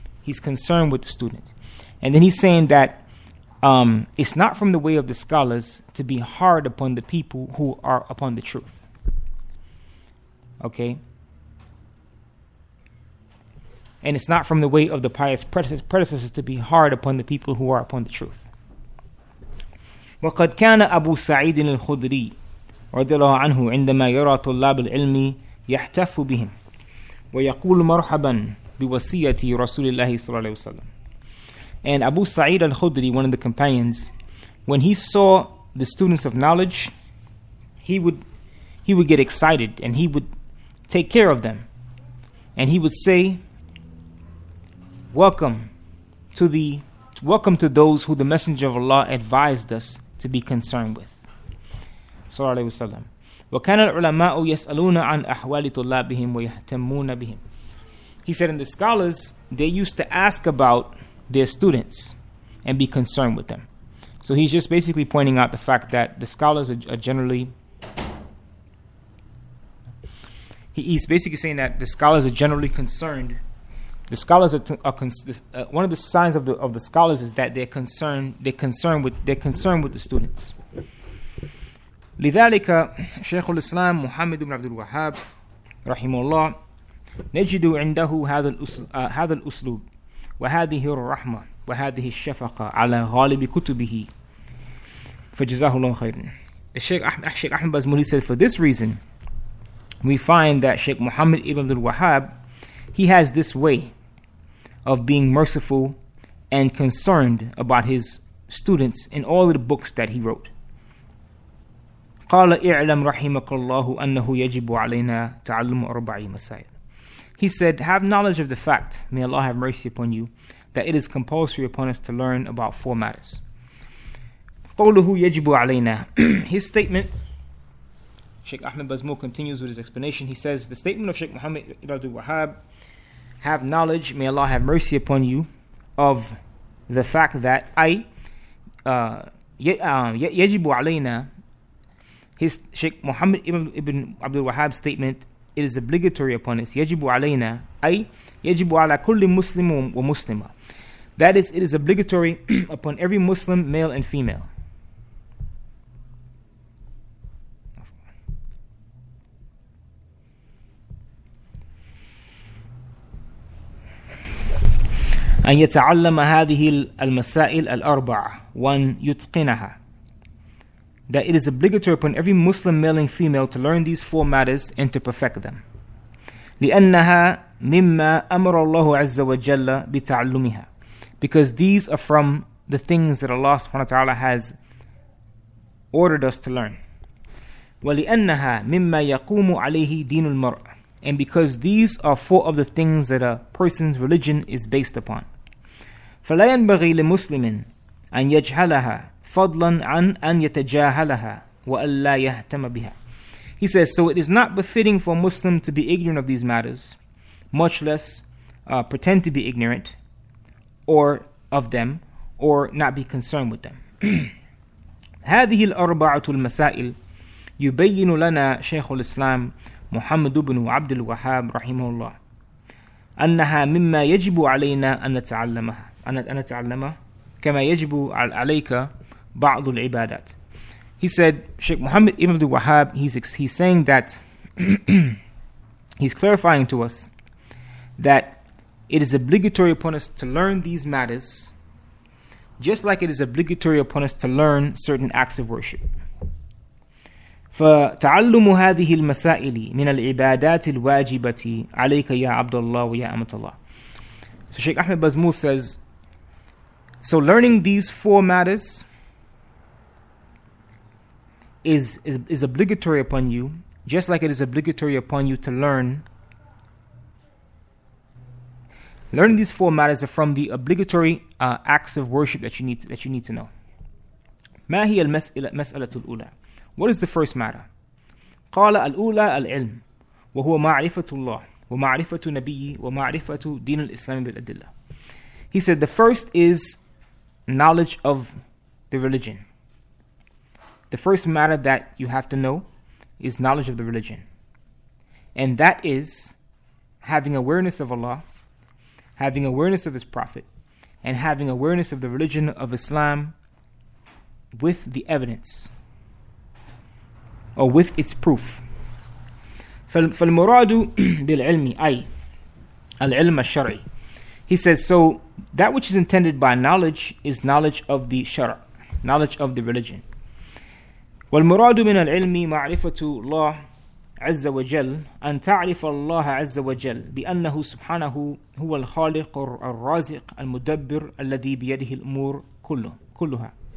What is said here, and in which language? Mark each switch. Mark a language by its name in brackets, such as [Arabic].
[English] He's concerned with the student. And then he's saying that it's not from the way of the scholars to be hard upon the people who are upon the truth. Okay? And it's not from the way of the pious predecessors to be hard upon the people who are upon the truth. [Arabic] وَقَدْ كَانَ أَبُو سَعِيدٍ الْخُدْرِي رضي الله عنه عندما يرى طلاب العلم يحتف بهم ويقول مرحبا بوصية رسول الله صلى الله عليه وسلم. [English] And Abu Sa'id al-Khudri, one of the companions, when he saw the students of knowledge, he would get excited and he would take care of them. And he would say, Welcome to those who the Messenger of Allah advised us to be concerned with. [Arabic] Sallallahu alayhi wa sallam. وَكَانَ الْعُلَمَاءُ يَسْأَلُونَ عَنْ أَحْوَالِ طُلَّابِهِمْ وَيَهْتَمُونَ بِهِمْ. [English] He said, and the scholars, they used to ask about their students and be concerned with them. So he's just basically pointing out the fact that the scholars are generally... He's basically saying that the scholars are generally concerned. The scholars are one of the signs of the scholars is that they're concerned with the students. [Arabic] لذلك شيخ الإسلام محمد بن عبد الوهاب رحمه الله نجد عنده هذا الأسلوب وهذه الرحمة وهذه الشفقة على غالب كتبه فجزاه الله خيرا. [English] الشيخ أحمد بازمولي said, for this reason we find that Sheikh Muhammad ibn Abdul Wahhab, he has this way of being merciful and concerned about his students in all of the books that he wrote. [Arabic] قال اعلم رحمك الله أنه يجب علينا تعلم أربع مسائل. [English] He said, have knowledge of the fact, may Allah have mercy upon you, that it is compulsory upon us to learn about four matters. [Arabic] قوله يجب علينا. [English] His statement, Sheikh Ahmed Bazmul continues with his explanation. He says, the statement of Sheikh Muhammad ibn Abdul Wahhab, have knowledge, may Allah have mercy upon you, of the fact that [Arabic] يجب علينا. [English] His Sheikh Muhammad ibn Abdul Wahhab's statement, it is obligatory upon us. [Arabic] يجب علينا أي يجب على كل مسلم ومسلمة. [English] That is, it is obligatory upon every Muslim, male and female. [Arabic] أن يتعلم هذه المسائل الأربعة وأن يتقنها. [English] That it is obligatory upon every Muslim male and female to learn these four matters and to perfect them. [Arabic] لِأَنَّهَا مِمَّا أَمَرَ اللَّهُ عَزَّ وَجَلَّ بِتَعْلُّمِهَا. [English] Because these are from the things that Allah subhanahu wa ta'ala has ordered us to learn. [Arabic] وَلِأَنَّهَا مِمَّا يَقُومُ عَلَيْهِ دِينُ الْمَرْءِ. [English] And because these are four of the things that a person's religion is based upon. [Arabic] فَلَا يَنْبَغِي لِمُسْلِمٍ أَنْ يَجْهَلَهَا فَضْلًا عَنْ أَنْ يَتَجَاهَلَهَا وَأَلَّا يَهْتَمَ بِهَا. [English] He says, so it is not befitting for a Muslim to be ignorant of these matters, much less pretend to be ignorant or of them, or not be concerned with them. [Arabic] هذه الأربعة المسائل يبين لنا شيخ الإسلام محمد بن عبد الوهاب رحمه الله أنها مما يجب علينا أن نتعلمها كما يجب عليك بعض العبادات. [English] He said, Sheikh Muhammad ibn Abdul Wahhab, he's saying that he's clarifying to us that it is obligatory upon us to learn these matters, just like it is obligatory upon us to learn certain acts of worship. [Arabic] فتعلم هذه المسائل من العبادات الواجبة عليك يا عبد الله ويا أمة الله. [English] So Sheikh Ahmed Bazmul says, so learning these four matters is obligatory upon you, just like it is obligatory upon you to learn. Learning these four matters are from the obligatory acts of worship that you need to know. [Arabic] ما هي المسألة الأولى? [English] What is the first matter? [Arabic] قال الأولى العلم وهو معرفة الله ومعرفة نبيه ومعرفة دين الإسلام بالأدلة. [English] He said the first is knowledge of the religion. The first matter that you have to know is knowledge of the religion. And that is having awareness of Allah, having awareness of His Prophet, and having awareness of the religion of Islam with the evidence or with its proof. [Arabic] فَالْمُرَادُ بِالْعِلْمِ أي العلم الشرعي. [English] He says, so that which is intended by knowledge is knowledge of the shara, knowledge of the religion. [Arabic] وَالْمُرَادُ مِنَ الْعِلْمِ مَعْرِفَةُ اللَّهِ عَزَّ وَجَلَّ أَنْ تَعْرِفَ اللَّهَ عَزَّ وَجَلَّ بِأَنَّهُ سُبْحَانَهُ هُوَ الْخَالِقُ الرَّازِقُ الْمُدَبِّرُ الَّذِي بِيَدِهِ الْأُمُورُ كُلُّهَا.